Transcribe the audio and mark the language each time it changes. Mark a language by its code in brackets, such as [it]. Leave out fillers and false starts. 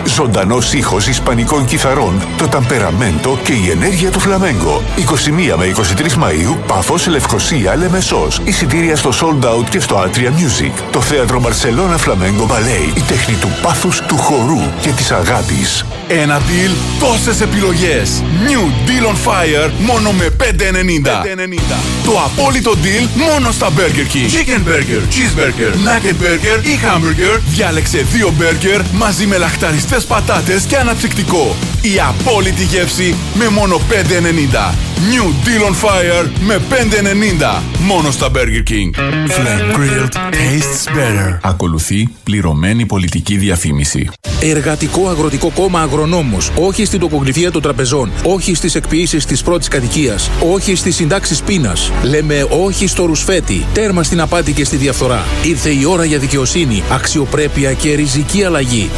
[el] Ζωντανός ήχος ισπανικών κιθαρών, το ταμπεραμέντο και η ενέργεια του Flamenco. 21 με 23 Μαΐου, Πάφος, Λευκοσία, Λεμεσός. Εισιτήρια στο Sold Out και στο Atria Music. Το θέατρο Barcelona Flamenco Ballet, η τέχνη του πάθους, του χορού και της αγάπης. Ένα deal, τόσες επιλογές. New Deal on Fire, μόνο με 5,90. Το απόλυτο deal, μόνο στα Burger King. Chicken Burger, Cheeseburger, Nugget Burger ή Hamburger. Διάλεξε δύο burger μαζί με λαχταριστές πατάτες και αναψυκτικό. Η απόλυτη γεύση με μόνο 5,90. New Deal on Fire με 5,90. Μόνο στα Burger King. [en] Flame Grilled tastes better. [el] Ακολουθεί πληρωμένη πολιτική διαφήμιση. Εργατικό Αγροτικό Κόμμα Αγρονόμος. Όχι στην τοπογλυφία των τραπεζών. Όχι στις εκποιήσεις της πρώτης κατοικίας. Όχι στις συντάξεις πείνας. Λέμε όχι στο ρουσφέτη. Τέρμα στην απάτη και στη διαφθορά. Ήρθε η ώρα για δικαιοσύνη, αξιοπρέπεια και ριζική αλλαγή.